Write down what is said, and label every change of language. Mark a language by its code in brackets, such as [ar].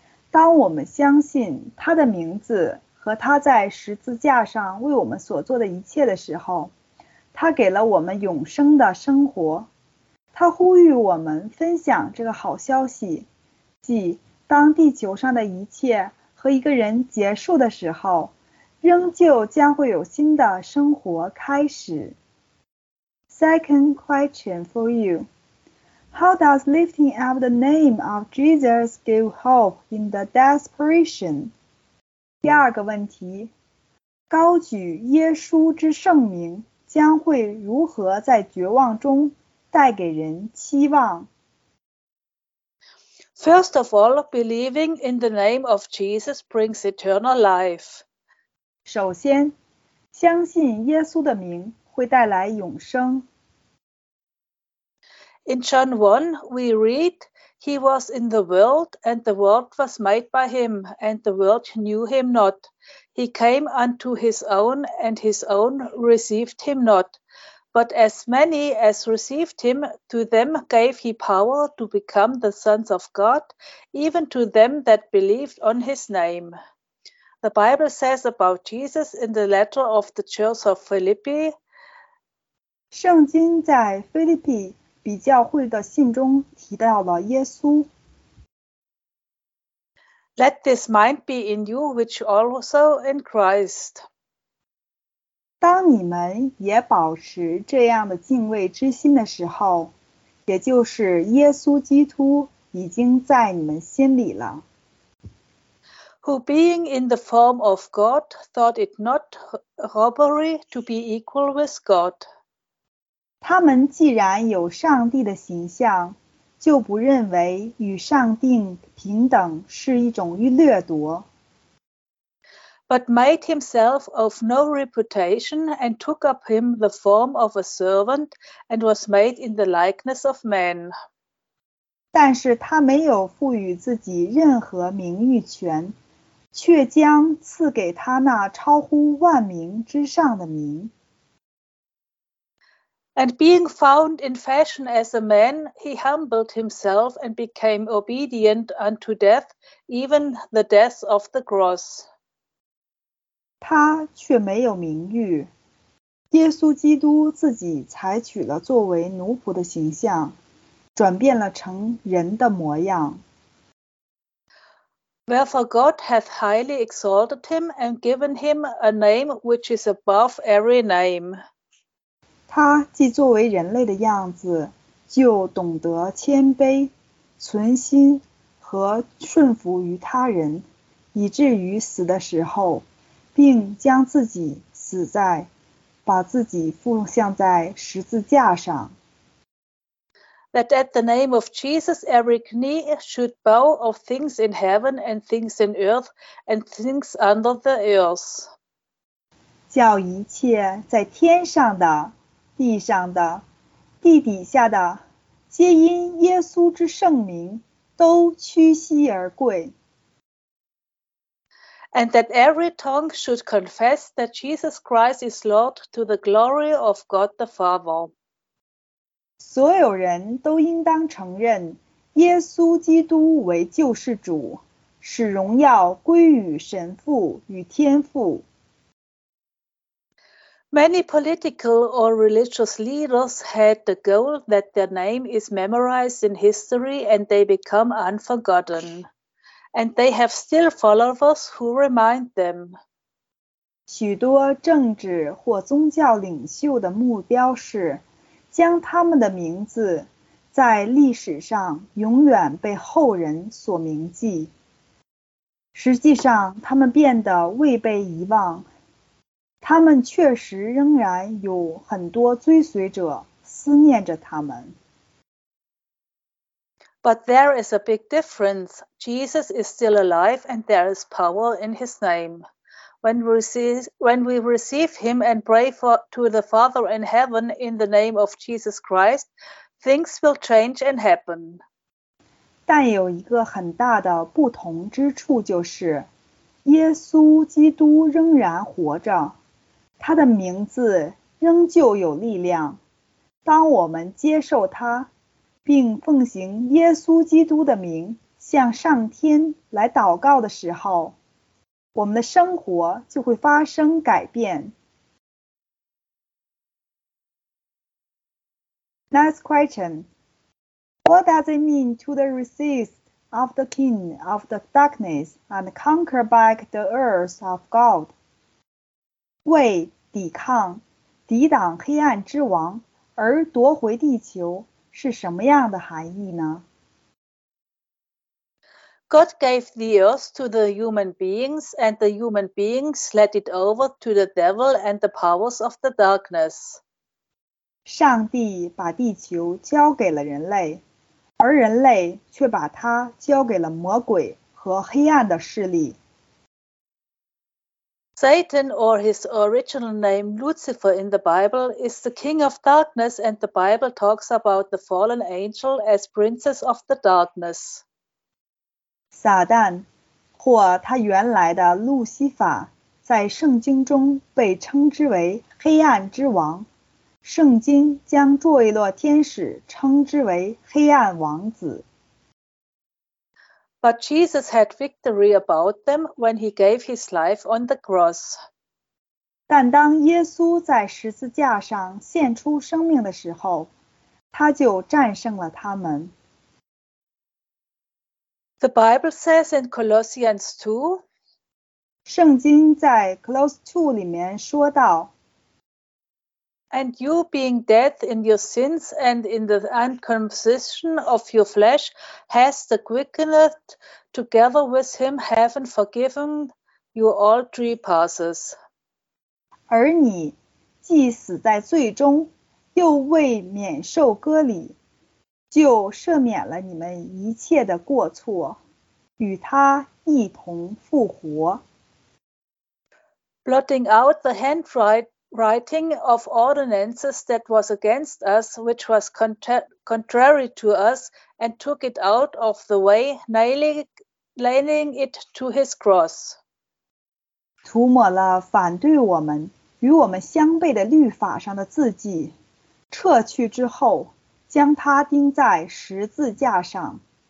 [zh] 当我们相信他的名字和他在十字架上为我们所做的一切的时候，他给了我们永生的生活。他呼吁我们分享这个好消息，即当地球上的一切和一个人结束的时候，仍旧将会有新的生活开始。 [en] Second question for you. How does lifting up the name of Jesus give hope in the desperation? [zh] 第二个问题，高举耶稣之圣名将会如何在绝望中带给人期望？ [en] First of all, believing in the name of Jesus brings eternal life. [zh] 首先，相信耶稣的名会带来永生。 [en] In John 1, we read,He was in the world, and the world was made by him, and the world knew him not. He came unto his own, and his own received him not. But as many as received him, to them gave he power to become the sons of God, even to them that believed on his name. The Bible says about Jesus in the letter of the Church of Philippi. [zh] 圣经在腓立比比教会的信中提到了耶稣。 [en] Let this mind be in you, which also in Christ. [zh] 当你们也保持这样的敬畏之心的时候，也就是耶稣基督已经在你们心里了。 [en] Who being in the form of God thought it not robbery to be equal with God. [zh] 他们既然有上帝的形象，就不认为与上帝平等是一种掠夺。 [en] but made himself of no reputation and took up him the form of a servant and was made in the likeness of men. [zh] 但是他没有赋予自己任何名誉权，却将赐给他那超乎万民之上的名。 [en] And being found in fashion as a man, he humbled himself and became obedient unto death, even the death of the cross. [zh] 他却没有名誉。耶稣基督自己采取了作为奴仆的形象，转变了成人的模样。 [en] Wherefore God hath highly exalted him and given him a name which is above every name. [zh] 他既作为人类的样子，就懂得谦卑、存心和顺服于他人，以至于死的时候，并将自己死在，把自己奉献在十字架上。 [en] That at the name of Jesus every knee should bow of things in heaven and things in earth and things under the earth. [zh] 叫一切在天上的、地上的、地底下的，皆因耶稣之圣名，都屈膝而跪。 [en] And that every tongue should confess that Jesus Christ is Lord to the glory of God the Father. [zh] 所有人都应当承认耶稣基督为救世主，使荣耀归于神父与天父。 [en] Many political or religious leaders had the goal that their name is memorized in history and they become unforgotten. And they have still followers who remind them. [zh] 许多政治或宗教领袖的目标是将他们的名字在历史上永远被后人所铭记。实际上，他们变得未被遗忘。他们确实仍然有很多追随者思念着他们。 [en] But there is a big difference. Jesus is still alive and there is power in his name. When we receive him and pray to the Father in heaven in the name of Jesus Christ, things will change and happen. [zh] 但有一个很大的不同之处就是，耶稣基督仍然活着，他的名字仍旧有力量。当我们接受他，并奉行耶稣基督的名向上天来祷告的时候，我们的生活就会发生改变。 [en] Next question. What does it mean to the resist of the king of the darkness and conquer back the earth of God? [zh] 为抵抗、抵挡黑暗之王而夺回地球是什么样的含义呢？ [en] God gave the earth to the human beings, and the human beings let it over to the devil and the powers of the darkness. [zh] 上帝把地球交给了人类，而人类却把它交给了魔鬼和黑暗的势力。 [en] Satan, or his original name Lucifer in the Bible, is the king of darkness, and the Bible talks about the fallen angel as princes of the darkness. [zh] 撒旦或他原来的路西法在圣经中被称之为黑暗之王，圣经将坠一落天使称之为黑暗王子。 [en] But Jesus had victory about them when he gave his life on the cross. [zh] 但当耶稣在十字架上献出生命的时候，他就战胜了他们。 [en] The Bible says in Colossians 2, [zh] 圣经在 Colossians 2里面说到， [en] And you being dead in your sins and in the uncircumcision of your flesh, hast quickened together with him, having forgiven you all trespasses. [zh] 而你既死在罪中，又未免受割礼，就赦免了你们一切的过错。与他一同复活。 [en] blotting out the handwriting of ordinances that was against us, which was contrary to us, and took it out of the way, nailing it to his cross. [zh] 涂抹了反对我们与我们相悖的律法上的字迹，撤去之后，将它钉在十字架上。